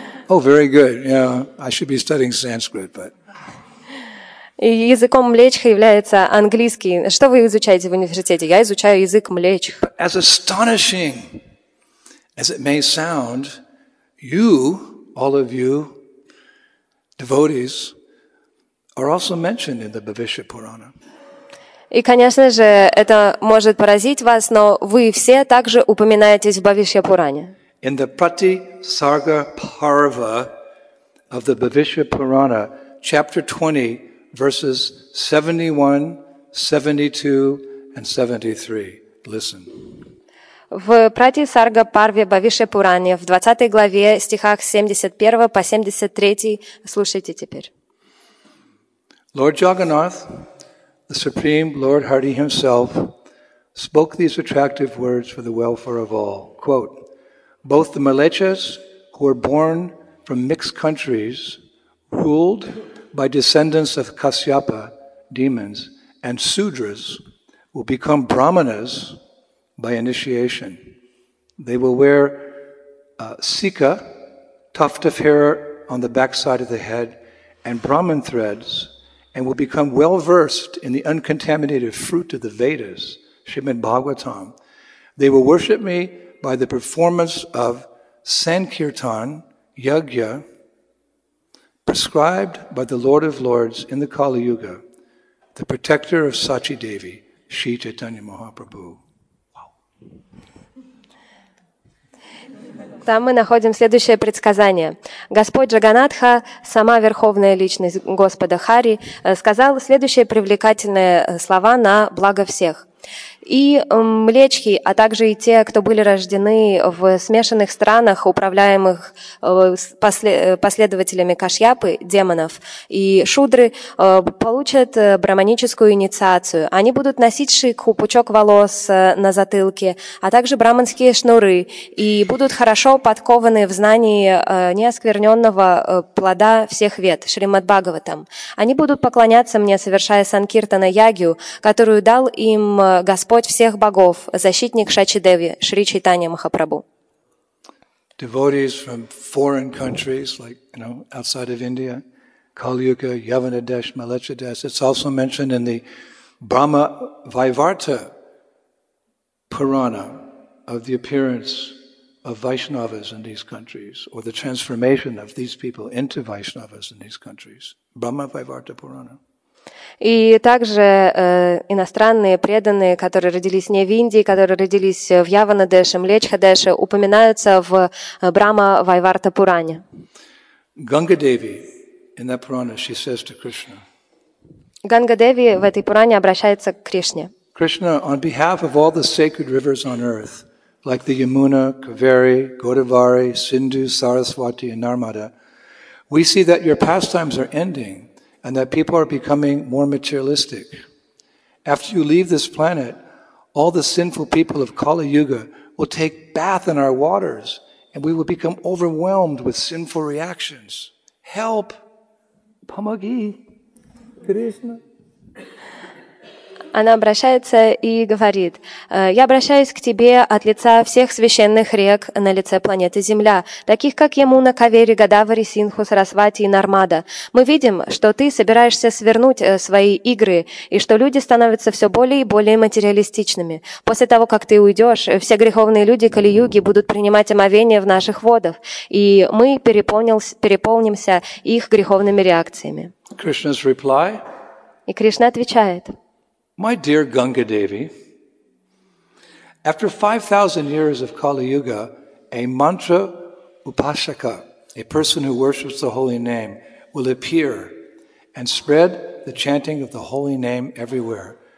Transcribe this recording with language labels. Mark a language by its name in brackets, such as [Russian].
[English] Oh, very good. Yeah, I should be studying Sanskrit, but... [Russian] Языком млечха является английский. Что вы изучаете в университете? Я изучаю язык млечх. [English] As astonishing as it may sound, you, all of you, devotees, are also mentioned in the Bhavishya Purana. [Russian] И, конечно же, это может поразить вас, но вы все также упоминаетесь в Бхавишья Пуране. [English] In the Pratisarga Parva of the Bhavishya Purana, chapter 20, verses 71, 72, and 73. Listen. [Russian] В Пратисарга Парве Бхавишья Пуране, в 20 главе, стихах 71 по 73, слушайте теперь. [English] Lord Jagannath, the Supreme Lord Hari himself spoke these attractive words for the welfare of all. Quote, both the Mlechhas who were born from mixed countries, ruled by descendants of Kasyapa, demons, and Sudras will become Brahmanas by initiation. They will wear sika, tuft of hair on the backside of the head, and Brahman threads, and will become well-versed in the uncontaminated fruit of the Vedas, Srimad Bhagavatam. They will worship me by the performance of Sankirtan, Yajna, prescribed by the Lord of Lords in the Kali Yuga, the protector of Sachi Devi, Sri Chaitanya Mahaprabhu. [Russian] Там мы находим следующее предсказание. Господь Джаганатха, сама верховная личность Господа Хари, сказал следующие привлекательные слова на благо всех. И млечхи, а также и те, кто были рождены в смешанных странах, управляемых последователями Кашьяпы, демонов, и шудры, получат брахманическую инициацию. Они будут носить шикху, пучок волос на затылке, а также брахманские шнуры, и будут хорошо подкованы в знании неоскверненного плода всех вед, Шримад Бхагаватам. Они будут поклоняться мне, совершая санкиртана ягью, которую дал им Господь всех богов, защитник Шачи Деви, Шри Чайтанья Махапрабху. [English] Devotees from foreign countries, like, you know, outside of India, Kali Yuga, Yavana Desh, Mlechha Desh, it's also mentioned in the Brahma Vaivarta Purana of the appearance of Vaishnavas in these countries, or the transformation of these people into Vaishnavas in these countries. Brahma Vaivarta Purana. [Russian] И также иностранные преданные, которые родились не в Индии, которые родились в Явана-деше, Млечха-деше, упоминаются в Брахма-Вайварта-Пуране. [English] Ганга-деви in that Purana, she says to Krishna. [Russian] Ганга-деви в этой Пуране обращается к Кришне. [English] Krishna, on behalf of all the sacred rivers on earth, like the Yamuna, Kaveri, Godavari, Sindhu, Saraswati, and Narmada, we see that your pastimes are ending, and that people are becoming more materialistic. After you leave this planet, all the sinful people of Kali Yuga will take bath in our waters, and we will become overwhelmed with sinful reactions. Help! [Russian] Pomagi! [English] Krishna! [Russian] Она обращается и говорит, «Я обращаюсь к тебе от лица всех священных рек на лице планеты Земля, таких как Ямуна, Кавери, Годавари, Синху, Сарасвати и Нармада. Мы видим, что ты собираешься свернуть свои игры и что люди становятся все более и более материалистичными. После того, как ты уйдешь, все греховные люди Кали-Юги будут принимать омовение в наших водах, и мы переполнимся их греховными реакциями». [English] Krishna's reply. [Russian] И Кришна отвечает, [English] My dear Ganga Devi, after 5,000 years of Kali Yuga, a mantra upashaka, a person who worships the holy name, will appear and spread the chanting of the holy name everywhere.